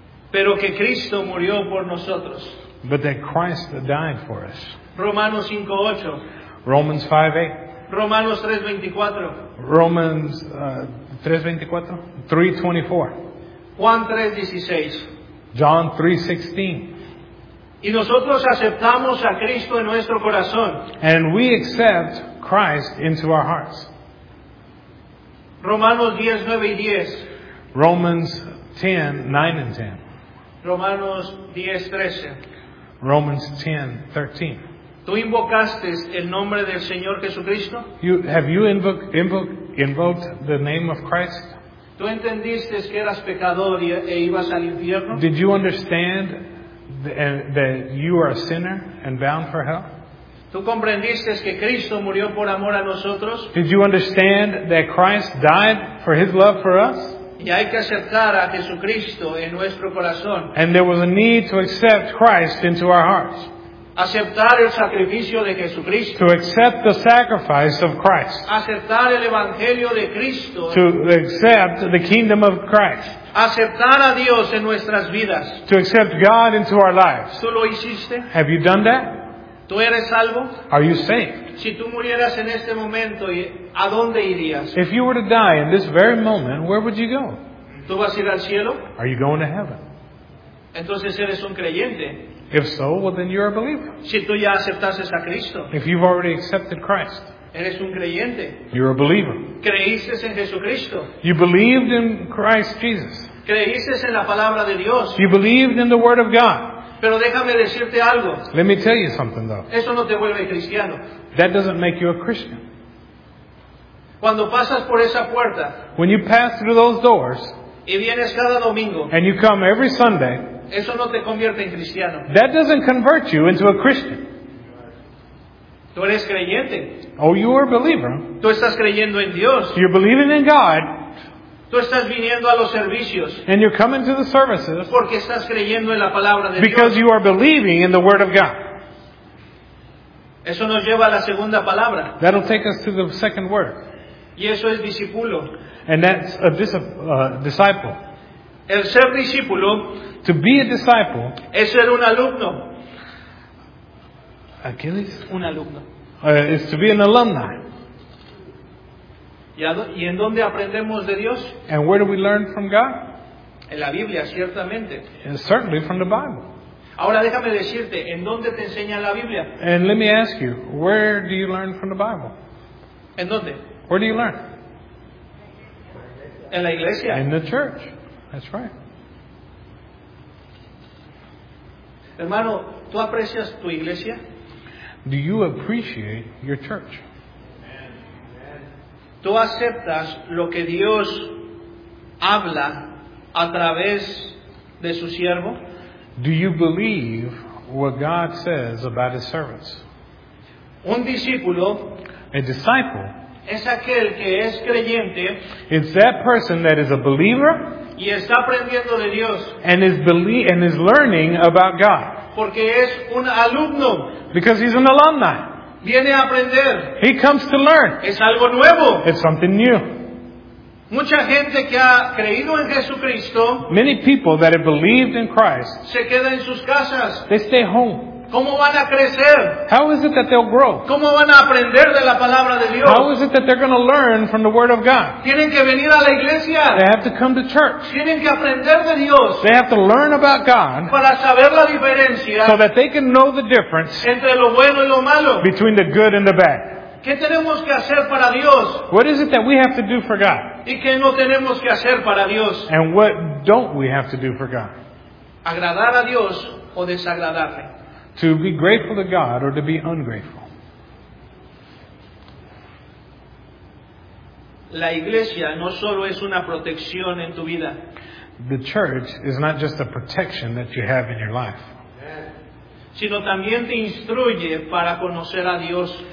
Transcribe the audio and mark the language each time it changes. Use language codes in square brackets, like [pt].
[es] Pero que Cristo murió por nosotros. [en] But that Christ died for us. [es] Romanos 5:8. [en] Romans 5:8. [es] Romanos 3:24. [en] Romans 3:24. [es] Juan 3:16. [en] John 3:16. [es] Y nosotros aceptamos a Cristo en nuestro corazón. [en] And we accept Christ into our hearts. [es] Romanos 10:9-10. [en] Romans 10:9-10. [es] Romanos 10:13. [en] Romans 10:13. [es] ¿Tú invocaste el nombre del Señor Jesucristo? [en] Have you invoked the name of Christ? [es] ¿Tú entendiste que eras pecador e ibas al infierno? [en] Did you understand that you are a sinner and bound for hell? [es] ¿Tú comprendiste que Cristo murió por amor a nosotros? [en] Did you understand that Christ died for His love for us? [es] Y hay que aceptar a Jesucristo en nuestro corazón. [en] And there was a need to accept Christ into our hearts. [es] Aceptar el sacrificio de Jesucristo. [en] To accept the sacrifice of Christ. [es] Aceptar el evangelio de Cristo. [en] To accept the kingdom of Christ. [es] Aceptar a Dios en nuestras vidas. [en] To accept God into our lives. [es] ¿Tú lo hiciste? [en] Have you done that? [es] ¿Tú eres salvo? [en] Are you saved? [es] Si tú murieras en este momento, ¿a dónde irías? [en] If you were to die in this very moment, where would you go? [es] ¿Tú vas a ir al cielo? [en] Are you going to heaven? [es] Entonces eres un creyente. [en] If so, well then you're a believer. [es] Si tú ya aceptaste a Cristo. [en] If you've already accepted Christ. [es] Eres un creyente. [en] You're a believer. [es] Creíste en Jesucristo. [en] You believed in Christ Jesus. [es] Creíste en la palabra de Dios. [en] You believed in the Word of God. [es] Pero déjame decirte algo. [en] Let me tell you something though. [es] Eso no te vuelve cristiano. [en] That doesn't make you a Christian. [es] Cuando pasas por esa puerta. [en] When you pass through those doors. [es] Y vienes cada domingo. [en] And you come every Sunday. [es] Eso no te convierte en cristiano. [en] That doesn't convert you into a Christian. [es] Tú eres creyente. [en] Oh, you are a believer. [es] Tú estás creyendo en Dios. [en] You're believing in God. [es] Tú estás viniendo a los servicios. [en] And you're coming to the services. [es] Porque estás creyendo en la palabra de Dios. [en] Because you are believing in the Word of God. [es] Eso nos lleva a la segunda palabra. [en] That'll take us to the second word. [es] Y eso es discípulo. [en] And that's a disciple. [es] El ser discípulo. [en] To be a disciple. [es] Es ser un alumno. Aquiles. Un alumno. [en] Is to be an alumni. [es] ¿Y en dónde aprendemos de Dios? [en] And where do we learn from God? [es] En la Biblia, ciertamente. [en] And certainly from the Bible. [es] Ahora déjame decirte, ¿en dónde te enseña la Biblia? [en] And let me ask you, where do you learn from the Bible? [es] ¿En dónde? [en] Where do you learn? [es] En la iglesia. [en] In the church. That's right. [es] Hermano, ¿tú aprecias tu iglesia? [en] Do you appreciate your church? [es] ¿Tú aceptas lo que Dios habla a través de su siervo? [en] Do you believe what God says about his servants? [es] Un discípulo, [en] a disciple, [es] es aquel que es creyente, [en] is that person that is a believer, [es] y está aprendiendo de Dios, [en] and is learning about God. [es] Porque es un alumno. [en] Because he's an alumni. [es] Viene a aprender. [en] He comes to learn. [es] Es algo nuevo. [en] It's something new. [es] Mucha gente que ha creído en Jesucristo, [en] many people that have believed in Christ, [es] se queda en sus casas. [en] They stay home. [es] ¿Cómo van a crecer? [en] How is it that they'll grow? [es] ¿Cómo van a aprender de la palabra de Dios? [en] How is it that they're going to learn from the Word of God? [es] Tienen que venir a la iglesia. [en] They have to come to church. [es] Tienen que aprender de Dios. [en] They have to learn about God. [es] Para saber la diferencia. [en] So that they can know the difference. [es] Entre lo bueno y lo malo. [en] Between the good and the bad. [es] ¿Qué tenemos que hacer para Dios? [en] What is it that we have to do for God? [es] ¿Y qué no tenemos que hacer para Dios? [en] And what don't we have to do for God? [es] ¿Agradar a Dios o desagradarle? [en] To be grateful to God or to be ungrateful. [es] La iglesia no solo es una protección en tu vida. [en] The church is not just a protection that you have in your life. [es] Sino también te instruye para conocer a Dios.